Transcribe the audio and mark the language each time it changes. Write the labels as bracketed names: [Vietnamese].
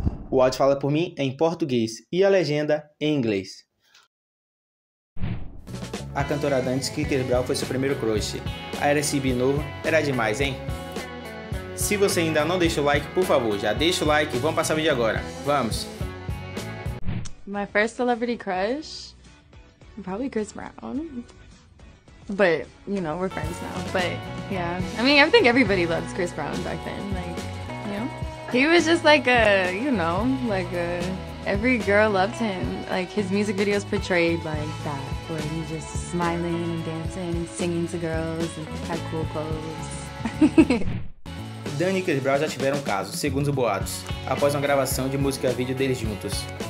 [Portuguese] O áudio fala por mim em português e a legenda em inglês. A cantora Dantes que Cerebral foi seu primeiro crush. A RSB novo era demais, hein? Se você ainda não deixa o like, por favor, já deixa o like e vamos passar o vídeo agora. Vamos! [English] My first celebrity crush? Probably Chris Brown. But, you know, we're friends now. But, yeah. I mean, I think everybody loves Chris Brown back then. Like, you know? He was just like a, you know, like a... Every girl loved him. Like, his music videos portrayed like that. Where he just smiling and dancing, singing to girls, and had cool clothes. [Portuguese] Dani e Chris Brown já tiveram um caso, segundo os boatos, após uma gravação de música vídeo deles juntos.